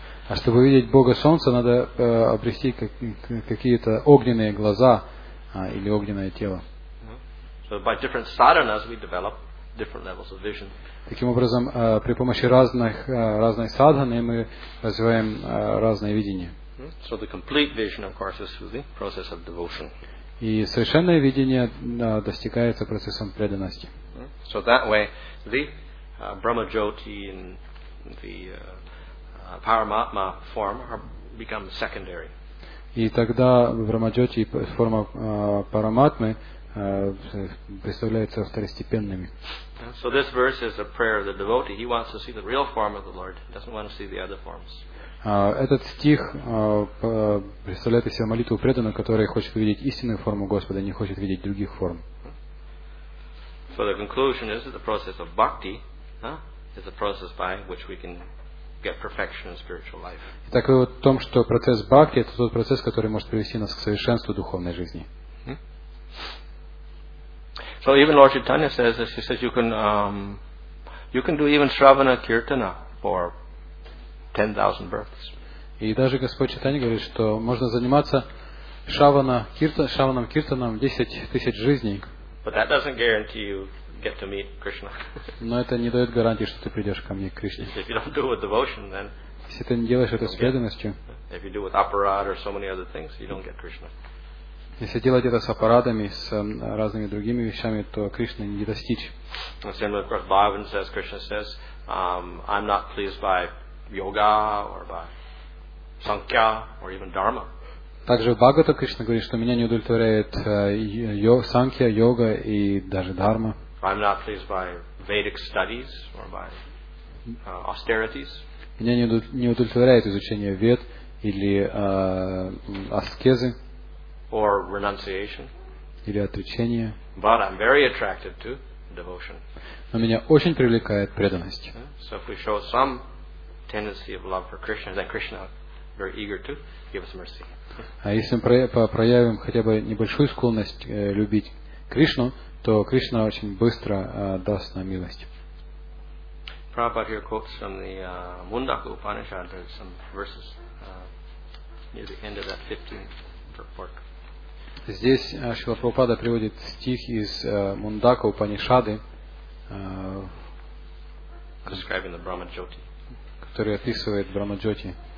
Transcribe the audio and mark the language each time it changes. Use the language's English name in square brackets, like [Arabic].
[Russian] А чтобы видеть Бога Солнца, надо обрести какие-то огненные глаза или огненное тело. [English] So by different sadhanas, we develop different levels of vision. [Russian] Таким образом, при помощи разных разной садханы мы развиваем разное видение. [English] So the complete vision, of course, is through the process of devotion. [Russian] И совершенное видение достигается процессом преданности. [English] So that way, the Brahmajyoti and the Paramatma form become secondary. [Russian] И тогда Брахмаджоти и форма Параматмы представляются второстепенными. [English] So this verse is a prayer of the devotee. He wants to see the real form of the Lord. He doesn't want to see the other forms. [Russian] Этот стих представляет из себя молитву преданного, который хочет видеть истинную форму Господа, не хочет видеть других форм. [English] So the conclusion is that the process of bhakti is a process by which we can get perfection in spiritual life. [Russian] Итак, вывод в том, что процесс бхакти — это тот процесс, который может привести нас к совершенству духовной жизни. [English] So even Lord Chaitanya says this. He says you can do even shravana kirtana for 10,000 births. [Russian] И даже Господь Чайтанья говорит, что можно заниматься шраванам киртанам 10,000 жизней. [English] But that doesn't guarantee you get to meet Krishna. [Russian] Но это не дает гарантии, что ты придешь ко мне, к Кришне. [English] If you don't do it with devotion, then. [Russian] Если ты не делаешь это с преданностью. [English] If you do it with aparad or so many other things, you don't get Krishna. [Russian] Если делать это с аппаратами, с разными другими вещами, то Кришны не достичь. [English] Similarly, of course, Bhavan says, Krishna says, I'm not pleased by yoga or by sankhya or even dharma. [Russian] Также в Бхагавате Кришна говорит, что меня не удовлетворяет санкья, йога и даже дхарма. [English] I'm not pleased by Vedic studies or by austerities. [Russian] Меня не удовлетворяет изучение вед или аскезы. [English] Or renunciation. [Russian] Или отречение. [English] But I'm very attracted to devotion. [Russian] Но меня очень привлекает преданность. [English] So if we show some tendency of love for Krishna, then Krishna very eager to give us mercy. [Russian] А если мы проявим хотя бы небольшую склонность любить Кришну, то Кришна очень быстро даст нам милость. [English] Prabhupada here quotes from the Mundaka Upanishad. There's some verses near the end of that 15th purport. [Russian] Здесь Шрила Прабхупада приводит стих из Мундака Упанишады, [English] describing the Брахмаджоти, [Russian] который описывает Брахмаджоти.